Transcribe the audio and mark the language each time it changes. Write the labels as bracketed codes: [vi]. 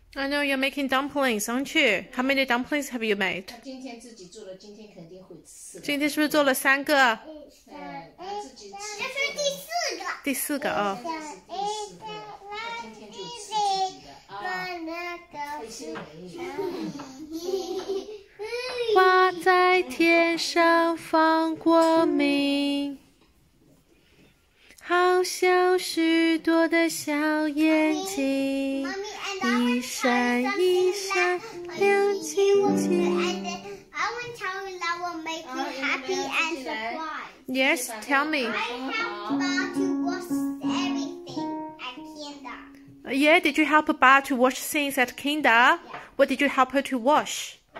[en] I know you're making dumplings, aren't you? How many dumplings have you made? [zh] 他今天自己做了，今天肯定会吃的。今天是不是做了三个？他自己吃的。这是第四个。第四个哦。第四个，他今天就吃自己的啊，开心美丽。挂在天上放光明。好像许多的小眼睛，一闪一闪亮晶晶。 [en] I want to tell you that will make you happy and surprised. Yes, tell me. I help Ba to wash everything at kinder. Yeah, did you help Ba to wash things at kinder? What did you help her to wash?